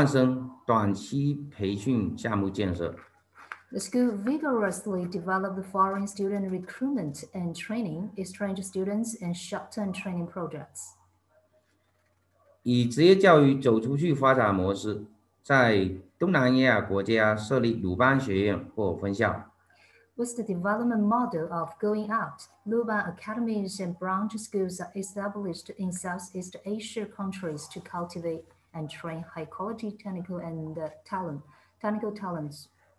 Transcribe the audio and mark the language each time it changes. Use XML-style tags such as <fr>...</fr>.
<zh>学校大力开展外国留学生招收和培养、交换生短期培训项目建设。</zh> <en>The school vigorously developed foreign student recruitment and training, exchange students and short-term training projects.</en> <zh>以职业教育走出去发展模式，在东南亚国家设立鲁班学院或分校。</zh> <en>With the development model of going out, Luban academies and branch schools are established in Southeast Asia countries to cultivate and train high-quality technical talents.</en>